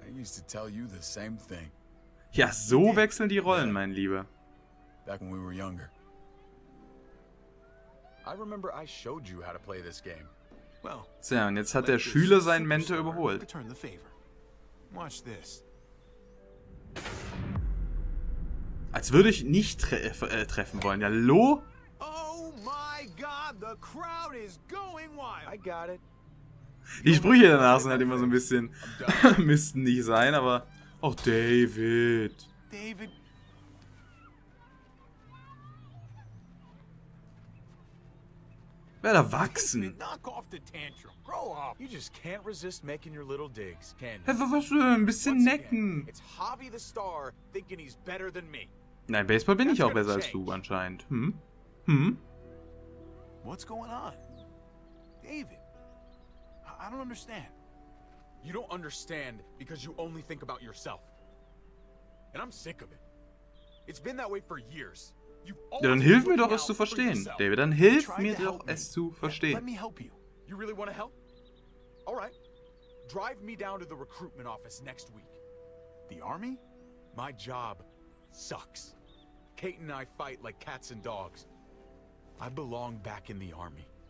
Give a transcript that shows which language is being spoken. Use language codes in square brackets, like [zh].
[en] I used to tell you the same thing. [de] Ja, so wechseln die Rollen, mein Lieber. [en] Back when we were younger. I remember I showed you how to play this game. [de] Well, so, und jetzt hat der Schüler seinen Mentor überholt. [en] Watch this. [de] Als würde ich nicht treffen wollen. Hallo? [en] Oh my god, the crowd is going wild. I got it. [de] Die Sprüche danach sind halt immer so ein bisschen müssten nicht sein, aber oh David. David. Werd erwachsen. [en] Knock off the tantrum. Grow up. You just can't resist making your little digs, can you? [de] Was für ein bisschen necken. [en] It's Javi the star thinking he's better than me. [de] Nein, Baseball bin ich auch besser als du anscheinend. Hm? [en] What's going on? David. I don't understand. You don't understand because you only think about yourself. And I'm sick of it. It's been that way for years. [de] Ja, dann hilf mir doch, es zu verstehen, David. Dann hilf mir doch, es zu verstehen. [en] Let me help you. You really want to help? All right. Drive me down to the recruitment office next week. The army? My job sucks. Kate and I fight like cats and dogs. I belong back in the army.